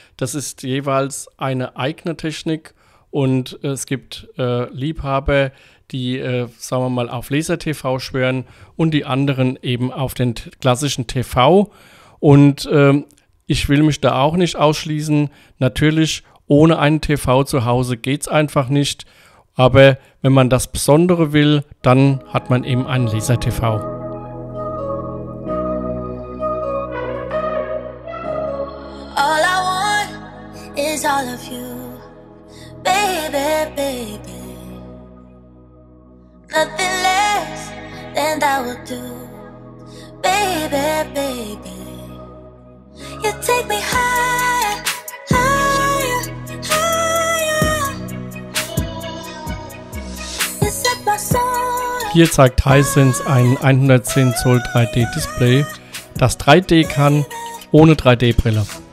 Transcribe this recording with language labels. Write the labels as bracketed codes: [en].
[de] Das ist jeweils eine eigene Technik. Und es gibt Liebhaber, die, sagen wir mal, auf Laser-TV schwören und die anderen eben auf den klassischen TV. Und ich will mich da auch nicht ausschließen. Natürlich, ohne einen TV zu Hause geht es einfach nicht. Aber wenn man das Besondere will, dann hat man eben einen Laser-TV. [en] All I want is all of you, baby, baby. Nothing less than that will do, baby, baby. You take me high, higher, higher. You set my soul. [de] Hier zeigt Hisense ein 110 Zoll 3D Display, das 3D kann ohne 3D Brille.